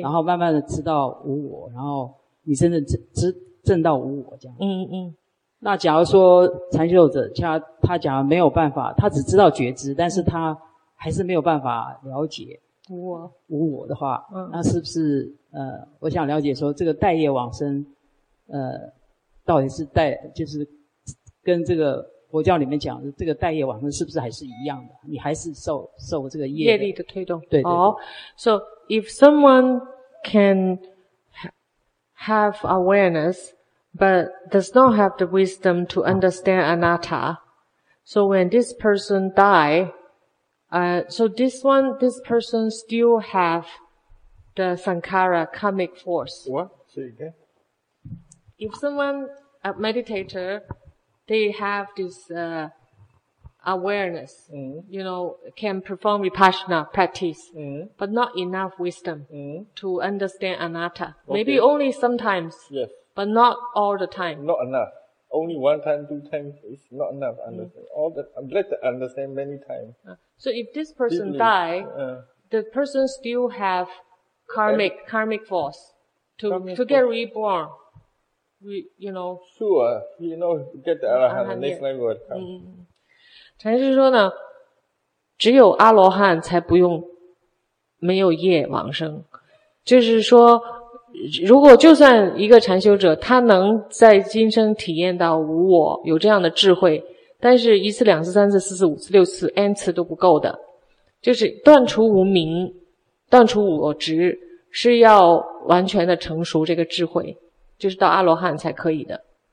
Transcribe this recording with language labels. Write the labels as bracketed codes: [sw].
[zh] 然后慢慢的知道无我然后你真的证到无我这样那假如说禅修者他假如没有办法他只知道觉知但是他还是没有办法了解无我的话那是不是我想了解说这个待业往生到底是待就是跟这个佛教里面讲的这个待业往生是不是还是一样的你还是受这个业力的推动对 对, 对、 [en] oh, So if someone can have awareness but does not have the wisdom to understand anatta So when this person die So this person still have the sankhara karmic force What? Say again If someone a meditatorthey have this awareness, you know, can perform vipassana practice, but not enough wisdom to understand anatta. Okay. Maybe only sometimes, yes. but not all the time. Not enough. Only one time, two times, it's not enough. Let them understand many times. So if this person die, the person still have karmic force to get reborn. Sure, you know, get the arahant, next level will come. [zh] 禅师说呢，只有阿罗汉才不用没有业往生，就是说如果就算一个禅修者他能在今生体验到无我，有这样的智慧，但是一次两次三次四次五次六次 N 次都不够的，就是断除无明断除我执，是要完全的成熟这个智慧，就是到阿罗汉才可以的。